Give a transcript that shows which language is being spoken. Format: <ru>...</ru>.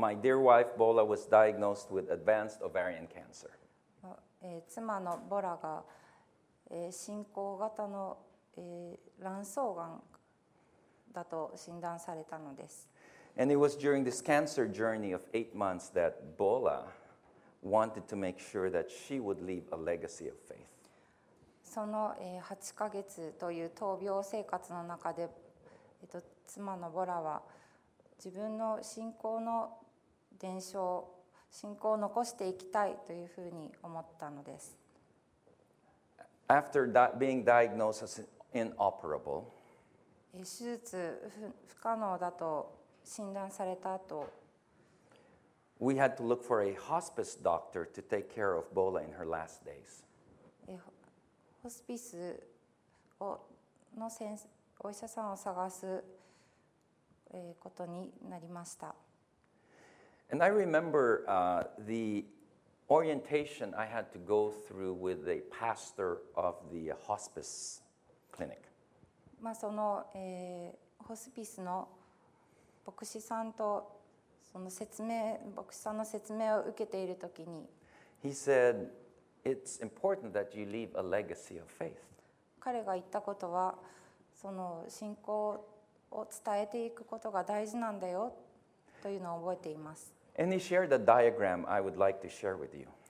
<en>my dear wife Bola was diagnosed with advanced ovarian cancer.</en> <ja>妻のボラが進行型の卵巣がんだと診断されたのです。</ja> <en>And it was during this cancer journey of 8 months that Bola wanted to make sure that she would leave a legacy of faith.</en> <ja>その8ヶ月という闘病生活の中で、妻のボラは自分の信仰の伝承、信仰を残していきたいというふうに思ったのです。</ja> <en>After that being diagnosed as inoperable,</en> <ja>手術不可能だと診断された後、</ja> <en>We had to look for a hospice doctor to take care of Bola in her last days.</en> <ja>ホスピスの先生、お医者さんを探すことになりました。</ja> <en>And I remember the orientation I had to go through with the pastor of the hospice clinic.</en> <ja>まあそのホスピスの牧師さんとその説明、牧師さんの説明を受けているときに、</ja> <en>He said, "It's important that you leave a legacy of faith."</en> <ja>彼が言ったことは、その信仰を伝えていくことが大事なんだよというのを覚えています。</ja> <en>And he shared a diagram I would like to share with you.</en>